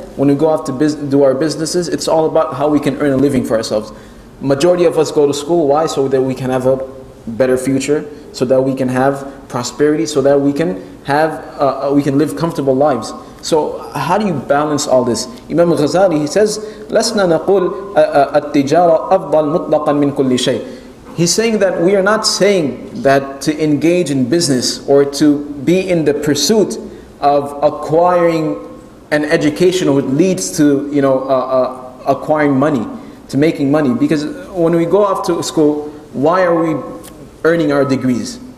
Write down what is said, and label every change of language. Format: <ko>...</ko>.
<en>When we go off to do our businesses, it's all about how we can earn a living for ourselves. Majority of us go to school, why? So that we can have a better future, so that we can have prosperity, so that we can have we can live comfortable lives. So how do you balance all this? Imam Ghazali, he says,</en> <ar>لَسْنَا نَقُولْ التِّجَارَ أَفْضَلْ مُطْلَقًا مِنْ كُلِّ شَيْءٍ.</ar> <en>He's saying that we are not saying that to engage in business or to be in the pursuit of acquiring an education which leads to, you know, acquiring money, to making money. Because when we go off to school, why are we earning our degrees?</en>